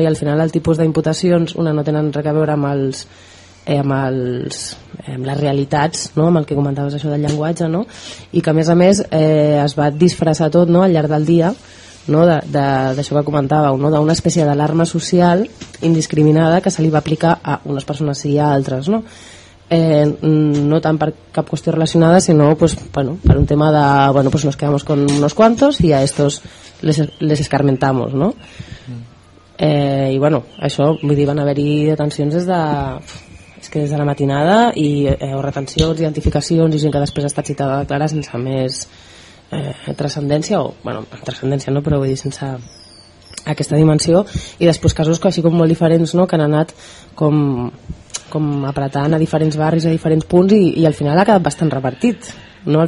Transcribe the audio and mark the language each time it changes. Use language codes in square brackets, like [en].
[ca] I al final el tipus d'imputacions, una, no tenen res a veure amb els amb les realitats, no? Amb el que comentaves això del llenguatge, no? I que a més es va disfressar tot, no? Al llarg del dia, no? D'això que comentàveu, no? D'una espècie d'alarma social indiscriminada que se li va aplicar a unes persones i a altres, no? No tant per cap qüestió relacionada, sinó pues, bueno, per un tema de, bueno, pues [es] nos quedamos con unos cuantos y a estos les escarmentamos, [ca] no? I bueno, això, vull dir, van haver-hi detencions des de... que des de la matinada i o retencions, identificacions i gent que després ha estat citada a declarar sense més transcendència o, bueno, transcendència no, però vull dir sense aquesta dimensió i després casos que, així com molt diferents, no, que han anat com apretant a diferents barris, a diferents punts i al final ha quedat bastant repartit, no?